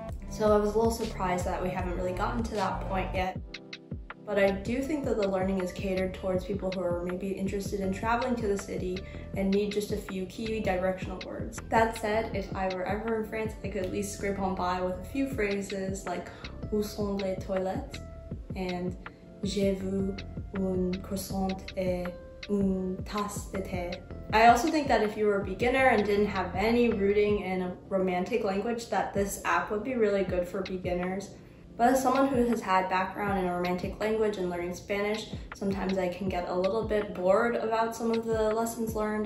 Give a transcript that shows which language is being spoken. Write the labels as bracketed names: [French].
[English] So I was a little surprised that we haven't really gotten to that point yet. But I do think that the learning is catered towards people who are maybe interested in traveling to the city and need just a few key directional words. That said, if I were ever in France, I could at least scrape on by with a few phrases like [French] où sont les toilettes? [English] And [French] j'ai vu un croissant et une tasse de thé. [English] I also think that if you were a beginner and didn't have any rooting in a romantic language, that this app would be really good for beginners. But as someone who has had background in a romantic language and learning Spanish, sometimes I can get a little bit bored about some of the lessons learned.